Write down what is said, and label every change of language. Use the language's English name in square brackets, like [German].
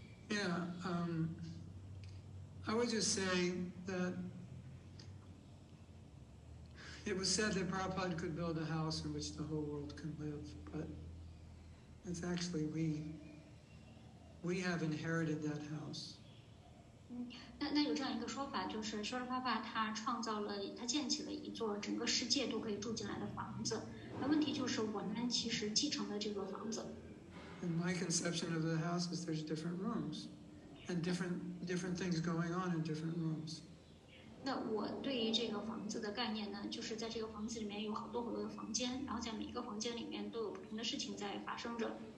[English] Yeah, I would just say that it was said that Prabhupada could build a house in which the whole world can live, but it's actually we have inherited that house. [Chinese] 那有这样一个说法，就是修罗帕帕他建起了一座整个世界都可以住进来的房子。那问题就是我们其实继承了这个房子。 [English] And my conception of the house is there's different rooms, and different things going on in different rooms. [Chinese] 那我对于这个房子的概念呢，就是在这个房子里面有好多好多的房间，然后在每一个房间里面都有不同的事情在发生着。